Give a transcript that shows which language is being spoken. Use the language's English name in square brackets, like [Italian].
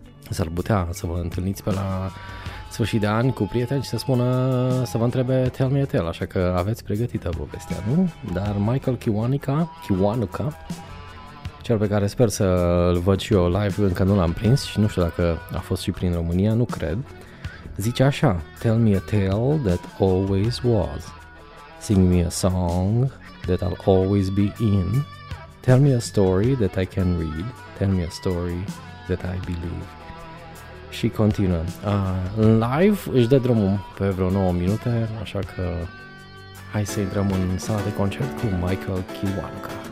[Romanian] S-ar putea să vă întâlniți pe la sfârșit de an cu prieteni și să spună, să vă întrebe [English] Tell Me a Tale, [Romanian] așa că aveți pregătită povestea, nu? Dar Michael Kiwanuka, cel pe care sper să-l văd și eu live, încă nu l-am prins și nu știu dacă a fost și prin România, nu cred, zice așa: [English] Tell me a tale that always was. Sing me a song that I'll always be in. Tell me a story that I can read. Tell me a story that I believe. [Romanian] Și continuă. În live își dă drumul pe vreo 9 minute, așa că hai să intrăm în sala de concert cu Michael Kiwanuka.